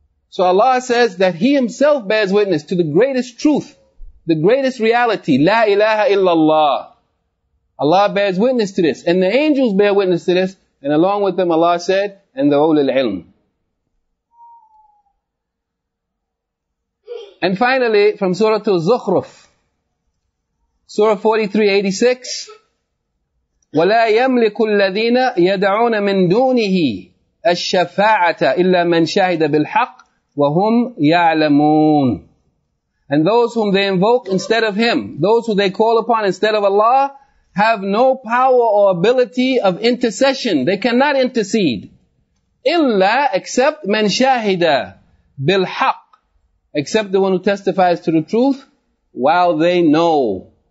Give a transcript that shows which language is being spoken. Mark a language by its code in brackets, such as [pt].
[en] So Allah says that He Himself bears witness to the greatest truth, the greatest reality, [ar] La ilaha illallah. [en] Allah bears witness to this, and the angels bear witness to this, and along with them Allah said, and the ulul ilm. And finally, from Surah Al-Zukhruf, Surah 43:86, [ar] وَلَا يَمْلِكُ الَّذِينَ يَدْعُونَ مِن دُونِهِ الشَّفَاعَةَ إِلَّا مَنْ شَهِدَ بِالْحَقِّ وَهُمْ يَعْلَمُونَ. [en] And those whom they invoke instead of Him, those who they call upon instead of Allah, have no power or ability of intercession. They cannot intercede. إِلَّا except [ar] مَنْ شَهِدَ بِالْحَقِّ, [en] except the one who testifies to the truth, while they know.